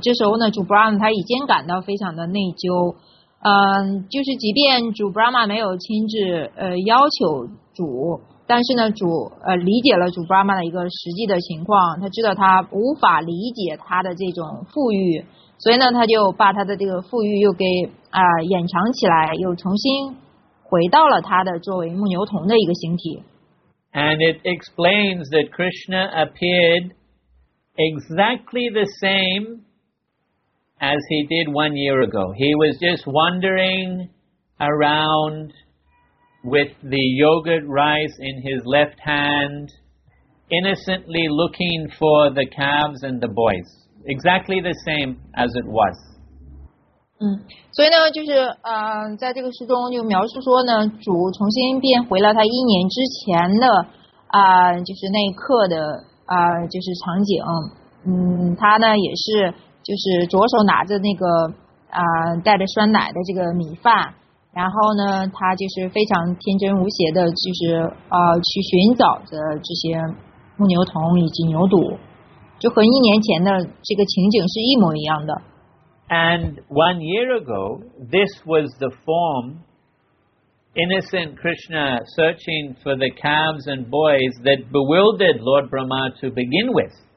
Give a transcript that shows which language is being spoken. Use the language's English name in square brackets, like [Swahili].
[Chinese] 这时候呢，主 Brahma 他已经感到非常的内疚，就是即便主 Brahma 没有亲自要求主，但是呢，主理解了主 Brahma 的一个实际的情况，他知道他无法理解他的这种富裕，所以呢，他就把他的这个富裕又给掩藏起来，又重新回到了他的作为牧牛童的一个形体。 [English] And it explains that Krishna appeared exactly the same as he did 1 year ago. He was just wandering around with the yogurt rice in his left hand, innocently looking for the calves and the boys. Exactly the same as it was. [Chinese] 所以呢，就是在这个诗中就描述说呢，主重新变回了他一年之前的就是那一刻的就是场景。他呢也是就是左手拿着那个带着酸奶的这个米饭，然后呢他就是非常天真无邪的，就是去寻找着这些牧牛童以及牛犊，就和一年前的这个情景是一模一样的。 [English] And 1 year ago, this was the form innocent Krishna searching for the calves and boys that bewildered Lord Brahma to begin with.